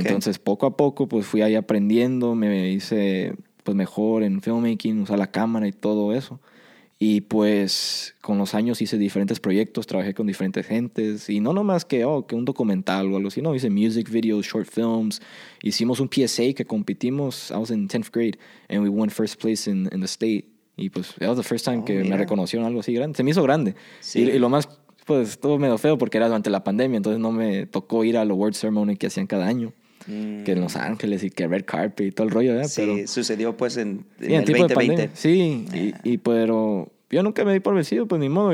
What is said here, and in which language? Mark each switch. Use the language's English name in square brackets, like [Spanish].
[Spanish] Entonces poco a poco pues fui ahí aprendiendo, me hice pues mejor en filmmaking, usar la cámara y todo eso. Y pues con los años hice diferentes proyectos, trabajé con diferentes gentes. Y no nomás que un documental o algo así. No, hice music videos, short films. Hicimos un PSA que competimos. [English] I was in 10th grade and we won first place in the state. [Spanish] Y pues [English] that was the first time [Spanish] me reconocieron algo así grande. Se me hizo grande. Sí. Y lo más, pues estuvo medio feo porque era durante la pandemia. Entonces no me tocó ir al award ceremony que hacían cada año. Que en Los Ángeles y que red carpet y todo el rollo, ¿verdad? Sí, pero sucedió pues en el 2020. Sí, pero yo nunca me di por vencido, pues ni modo.